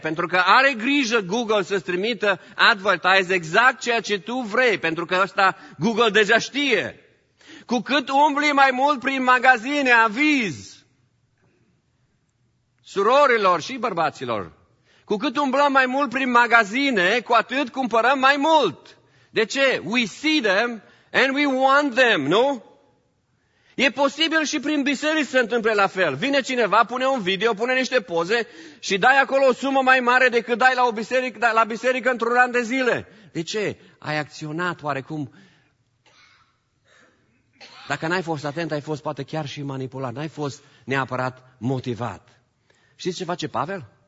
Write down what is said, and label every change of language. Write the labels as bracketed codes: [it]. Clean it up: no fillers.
[ro] Pentru că are grijă Google să-ți trimită advertise exact ceea ce tu vrei. Pentru că ăsta Google deja știe. Cu cât umbli mai mult prin magazine, aviz surorilor și bărbaților, cu cât umblăm mai mult prin magazine, cu atât cumpărăm mai mult. De ce? [en] We see them and we want them, [ro] nu? E posibil și prin biserici să întâmple la fel. Vine cineva, pune un video, pune niște poze și dai acolo o sumă mai mare decât dai la o biserică, la biserică într-un an de zile. De ce? Ai acționat oarecum. Dacă n-ai fost atent, ai fost poate chiar și manipulat, n-ai fost neapărat motivat. Știți ce face Pavel?